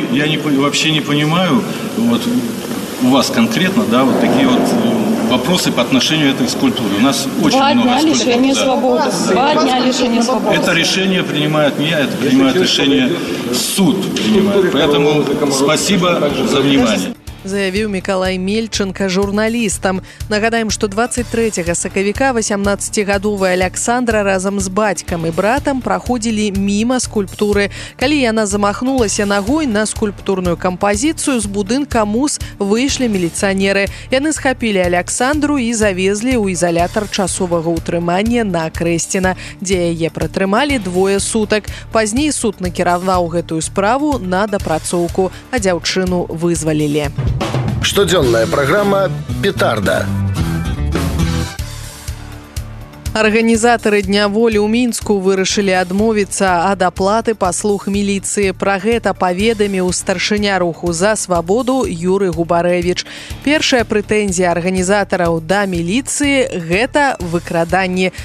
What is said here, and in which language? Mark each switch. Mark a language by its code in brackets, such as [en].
[ru] Я вообще не понимаю, вот у вас конкретно, да, вот такие вот вопросы по отношению этой скульптуры. У нас очень два много дня скульптур, лишения, да, свободы. Два дня лишения свободы. Это решение принимает не я, это принимает решение суд. Поэтому спасибо за внимание. [be] Заявіў Мікалай Мельчынка журналістам. Нагадаем, што 23 сакавіка 18-гадовы Аляксандра разам з бацькам і братам праходзілі міма скульптуры. Калі яна замахнулася нагой на скульптурную кампазіцыю, з будынка МУС выйшлі міліцыянеры. Яны схапілі Аляксандру і завезлі ў ізалятар часовага ўтрымання на Крэсціна, дзе яе пратрымалі 2 сутак. Пазней суд накіраваў гэтую справу на дапрацоўку, а дзяўчыну вызвалілі. Штодзённая праграма «Петарда». Арганізатары Дня волі ў Мінску вырашылі адмовіцца ад аплаты паслуг міліцыі. Пра гэта паведаміў старшыня руху «За свабоду» Юры Губарэвіч. Першая прэтэнзія арганізатараў да міліцыі – гэта выкраданні.